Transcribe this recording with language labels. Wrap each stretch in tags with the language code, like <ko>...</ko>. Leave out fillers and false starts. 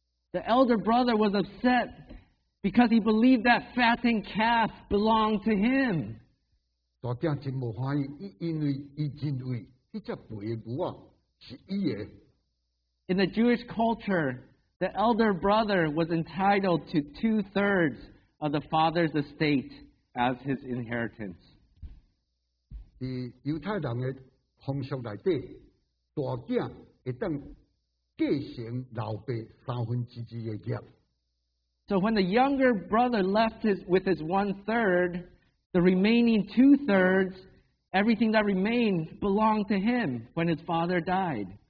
<en>The elder brother was upset because he believed that fattened calf belonged to him.</en> <nan>大家真不欢喜，因为他认为那只肥牛啊是他的。</nan> <en>In the Jewish culture, the elder brother was entitled to 2/3 of the father's estate as his inheritance.</en> <nan>在犹太人的风俗里底，大囝会当继承老爸三分之一的业。</nan> <en>So when the younger brother left with his 1/3, the remaining 2/3, everything that remained belonged to him when his father died.</en>